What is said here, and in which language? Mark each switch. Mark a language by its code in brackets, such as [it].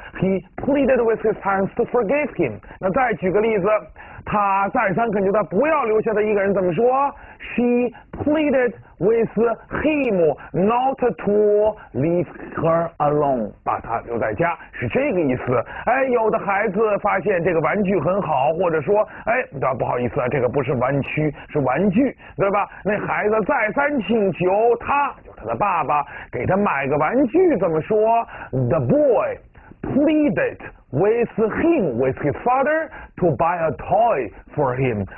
[en] he pleaded with his parents to forgive him。 [zh] 那再举个例子，他再三恳求他不要留下他一个人，怎么说？ [en] she pleaded with him not to leave her alone, [zh] 把他留在家，是这个意思。哎，有的孩子发现这个玩具很好，或者说哎，不好意思啊，这个不是玩具，是玩具，对吧？那孩子再三请求他，就是他的爸爸，给他买个玩具，怎么说？ [en] the boy pleaded with him, with his father, to buy a toy for him.